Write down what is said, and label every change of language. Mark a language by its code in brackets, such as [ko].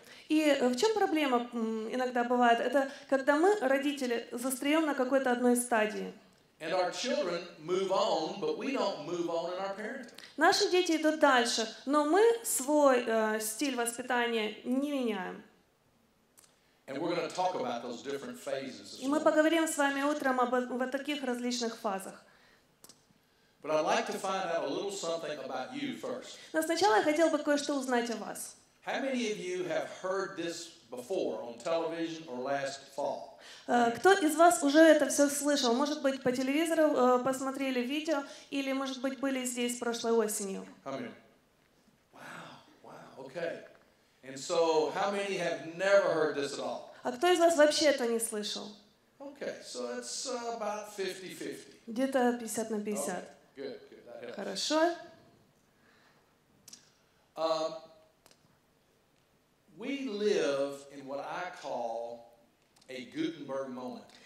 [ru] И в чем проблема иногда бывает? Это когда мы, родители, застреваем на какой-то одной стадии. [en] And our children move on, but we don't move on in our parenting. [ru] Наши дети идут дальше, но мы свой стиль воспитания не меняем. [en] And we're going to talk about those different phases. [ru] И мы поговорим с вами утром об вот таких различных фазах. [en] But I'd like to find out a little something about you first. [ru] Но сначала я хотел бы кое-что узнать о вас. [en] How many of you have heard this before on television or last fall? [ru] Кто из вас уже это все слышал? Может быть, по телевизору посмотрели видео, или, может быть, были здесь прошлой осенью? [en] How many? Wow, okay. And so, how many have never heard this at all? [ru] А кто из вас вообще это не слышал? [en] Okay, so it's about 50-50. [ru] Где-то 50 на 50. [en] Okay. Good, that helps. [ru] Хорошо. [en] We live in what I call a Gutenberg moment.